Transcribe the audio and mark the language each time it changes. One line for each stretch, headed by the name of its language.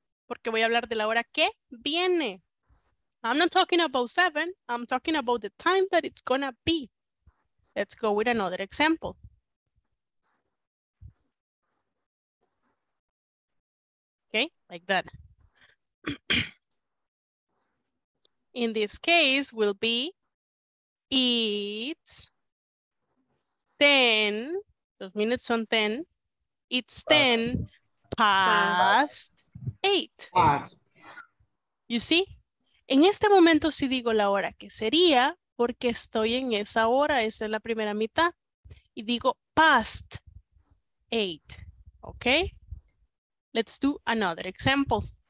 Spanish: porque voy a hablar de la hora que viene.
English: I'm not talking about 7, I'm talking about the time that it's gonna be. Let's go with another example. Okay, like that. In this case, will be, it's 10, those minutes on 10, it's 10 past 8. You see?
Spanish: En este momento sí digo la hora que sería, porque estoy en esa hora, esa es la primera mitad, y digo past 8, ¿ok?
English: Let's do another example.